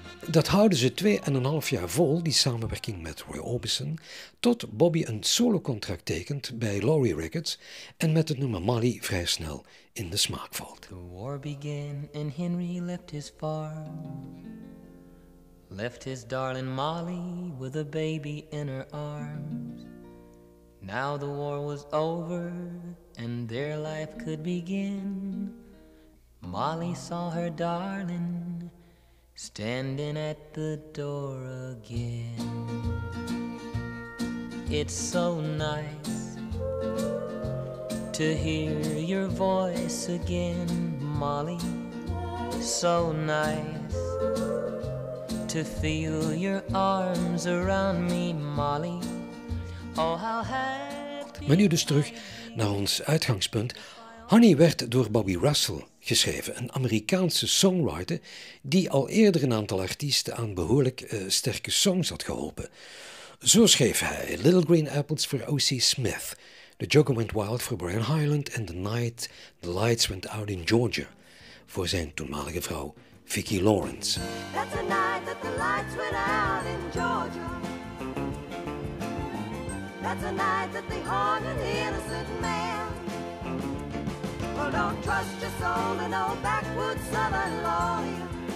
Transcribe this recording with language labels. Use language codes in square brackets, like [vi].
[nl] Dat houden ze 2,5 jaar vol, die samenwerking met Roy Orbison, tot Bobby een solocontract tekent bij Laurie Records en met het nummer Molly vrij snel in de smaak valt. [en] The war began and Henry left his farm. Left his darling Molly with a baby in her arms. Now the war was over and their life could begin. Molly saw her darling standing at the door again. It's so nice to hear your voice again, Molly. So nice to feel your arms around me, Molly. Oh, how happy. [nl] Maar nu dus terug naar ons uitgangspunt. Honey werd door Bobby Russell geschreven, een Amerikaanse songwriter die al eerder een aantal artiesten aan behoorlijk sterke songs had geholpen. Zo schreef hij Little Green Apples voor O.C. Smith, The Joker Went Wild voor Brian Hyland en The Night The Lights Went Out in Georgia voor zijn toenmalige vrouw Vicki Lawrence. [en] That's the night that the lights went out in Georgia. That's the night that they hung an innocent man. Well, don't trust your soul to no backwoods southern lawyer.